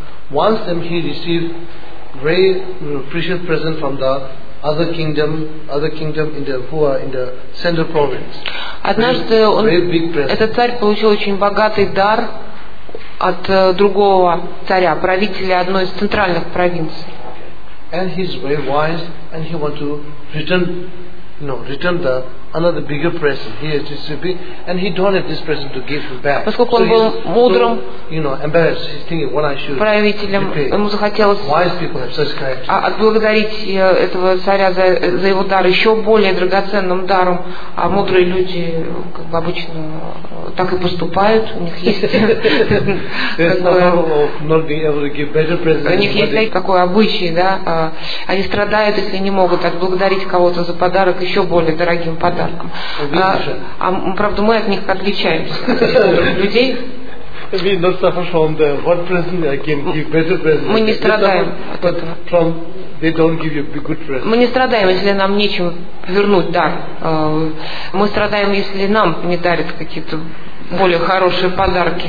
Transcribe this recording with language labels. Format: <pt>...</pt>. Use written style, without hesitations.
<en>Once then he received very precious present from the other kingdom in the Hua, in the center province.</en> <ru>Однажды он, этот царь получил очень богатый дар от другого царя, правителя одной из центральных провинций.</ru> <en>And he's very wise, and he wants to return, return the another bigger present. He has received, and he don't have this present to give him back.</en> <ru>Поскольку он был мудрым,</ru> <en>embarrassed, he's thinking, what I should pay.</en> <ru>Правителем ему захотелось.</ru> <en>Wise people have such kind.</en> <ru>Отблагодарить этого царя за его дар еще более драгоценным даром, а мудрые люди как бы обычно так и поступают. У них есть такое обычай, да? Они страдают, если не могут отблагодарить кого-то за подарок еще более дорогим подарком. Правда, мы от них отличаемся. Людей.</ru> <en>We not suffer from the what present I can give better present.</en> <ru>Мы не страдаем от этого.</ru> <en>From they don't give you a good present.</en> <ru>Мы не страдаем, если нам нечем вернуть дар. Мы страдаем, если нам не дарят какие-то более хорошие подарки.</ru>